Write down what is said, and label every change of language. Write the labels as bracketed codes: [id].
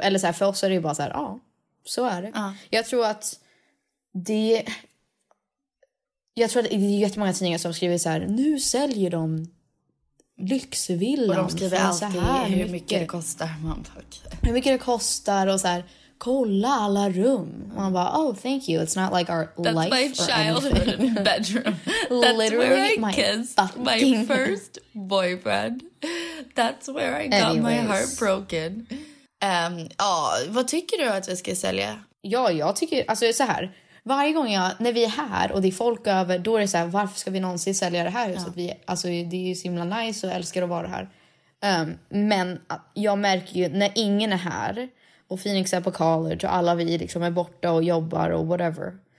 [sv] Eller så här, för oss är det ju bara så här, ja, så är det. Jag tror att det... Jag tror att det är jättemånga tidningar som skriver så här, nu säljer de... lyxvillan. Och de skriver alltid så här, hur mycket det kostar. Man bara, hur mycket det kostar och så här, kolla alla rum. Man bara, [en] oh thank you, it's not like our that's life. That's my childhood bedroom. That's literally where I kissed my first boyfriend. That's where I got anyways. My heart broken. [sv] Vad tycker du att vi ska sälja? Ja, jag tycker, alltså så här, varje gång när vi är här och det är folk över, då är det så här, varför ska vi någonsin sälja det här huset? Ja. Alltså, det är ju så himla nice och älskar att vara här. Men jag märker ju, när ingen är här och Phoenix är på college och alla vi liksom är borta och jobbar och whatever.